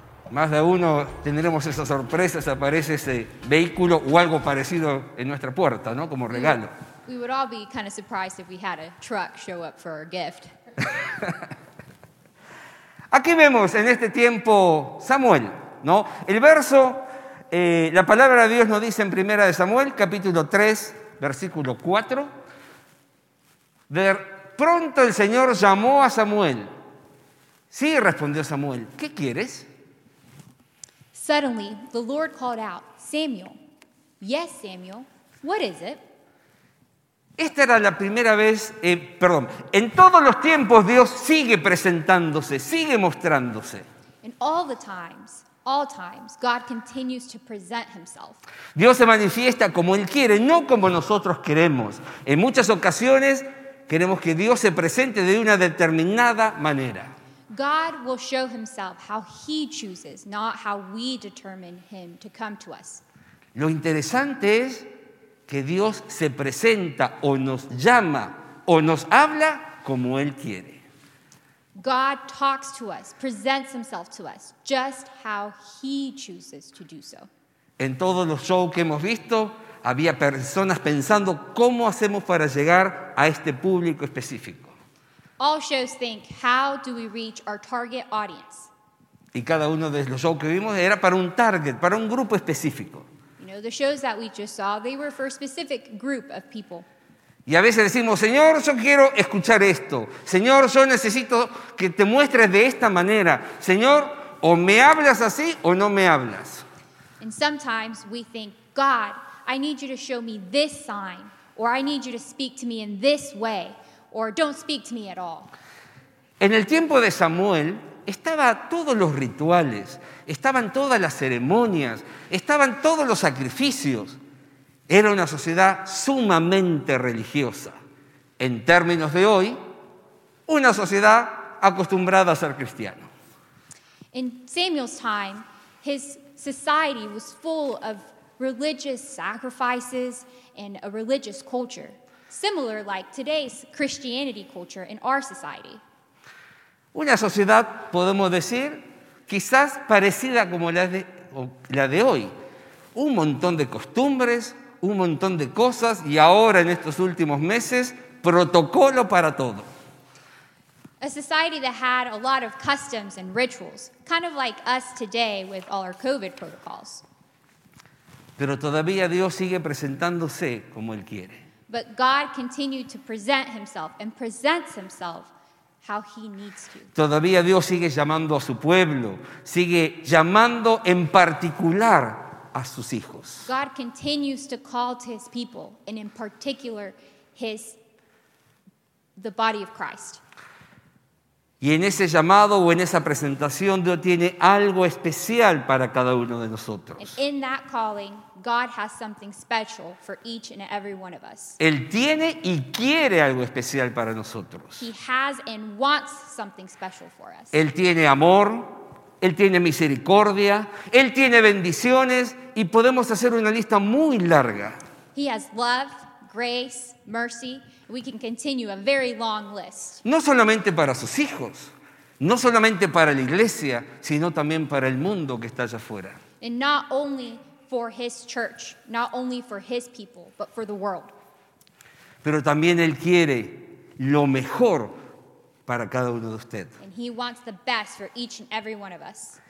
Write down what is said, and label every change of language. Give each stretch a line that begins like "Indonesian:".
Spanish: Más de uno tendremos esa sorpresa si aparece ese vehículo o algo parecido en nuestra puerta, ¿no? Como regalo.
English: We would all be kind of surprised if we had a truck show up for our gift.
Spanish: Aquí vemos en este tiempo Samuel, ¿no? El verso, la palabra de Dios nos dice en 1 Samuel, capítulo 3, versículo 4. De pronto el Señor llamó a Samuel. Sí, respondió Samuel, ¿qué quieres?
English: Suddenly, the Lord called out, Samuel. Yes, Samuel, what is it?
Spanish: Esta era la primera vez, perdón, en todos los tiempos Dios sigue presentándose, sigue mostrándose.
English: In all times, God continues to present himself.
Spanish: Dios se manifiesta como Él quiere, no como nosotros queremos. En muchas ocasiones queremos que Dios se presente de una determinada manera.
English: God will show himself how he chooses, not how we determine him to come to us.
Spanish: Lo interesante es que Dios se presenta o nos llama o nos habla como Él quiere.
English: God talks to us, presents himself to us, just how he chooses to do so.
Spanish: En todos los shows que hemos visto, había personas pensando cómo hacemos para llegar a este público específico.
English: All shows think, how do we reach our target audience?
Spanish: Y cada uno de los shows que vimos era para un target, para un grupo específico.
English: You know, the shows that we just saw, they were for a specific group of people.
Spanish: Y a veces decimos, Señor, yo quiero escuchar esto. Señor, yo necesito que te muestres de esta manera. Señor, o me hablas así o no me hablas.
English: And sometimes we think, God, I need you to show me this sign, or I need you to speak to me in this way, or don't speak to me at all.
Spanish: En el tiempo de Samuel, estaban todos los rituales, estaban todas las ceremonias, estaban todos los sacrificios. Era una sociedad sumamente religiosa. En términos de hoy, una sociedad acostumbrada a ser cristiano.
English: In Samuel's time, his society was full of religious sacrifices and a religious culture, similar like today's Christianity culture in our society.
Spanish: Una sociedad, podemos decir, quizás parecida como la de hoy. Un montón de costumbres, un montón de cosas, y ahora en estos últimos meses, protocolo para todo.
English: A society that had a lot of customs and rituals, kind of like us today with all our COVID protocols.
Spanish: Pero todavía Dios sigue presentándose como Él quiere.
English: But God continued to present Himself and presents Himself how He needs to.
Spanish: Todavía Dios sigue llamando a su pueblo, sigue llamando en particular a sus hijos.
English: God continues to call to His people, and in particular, the body of Christ.
Spanish: Y en ese llamado o en esa presentación, Dios tiene algo especial para cada uno de nosotros.
English: And in that calling, God has something special for each and every one of us.
Spanish: Él tiene y quiere algo especial para nosotros.
English: He has and wants something special for us.
Spanish: Él tiene amor, Él tiene misericordia, Él tiene bendiciones, y podemos hacer una lista muy larga.
English: He has love, grace, mercy. We can continue a very long list.
Spanish: No solamente para sus hijos, no solamente para la iglesia, sino también para el mundo que está allá afuera.
English: And not only for his church, not only for his people, but for the world.
Spanish: Pero también Él quiere lo mejor para cada uno de ustedes.
English: And he wants the best for each and every one of us.